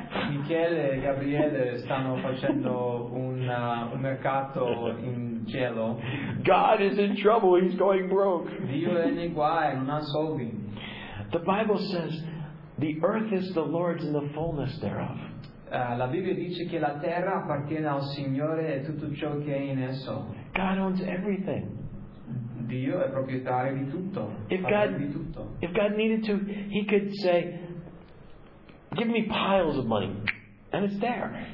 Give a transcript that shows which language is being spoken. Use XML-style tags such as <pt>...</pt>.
<it>Michele e Gabriele stanno facendo un mercato in cielo.</it> <en>God is in trouble. He's going broke.</en> <it>Dio è nei guai, non ha soldi.</it> <en>The Bible says, "The earth is the Lord's and the fullness thereof."</en> <it>La Bibbia dice che la terra appartiene al Signore e tutto ciò che è in esso.</it> <en>God owns everything.</en> <it>Dio è proprietario di tutto.</it> <en>If God needed to, He could say, "Give me piles of money," and it's there.</en>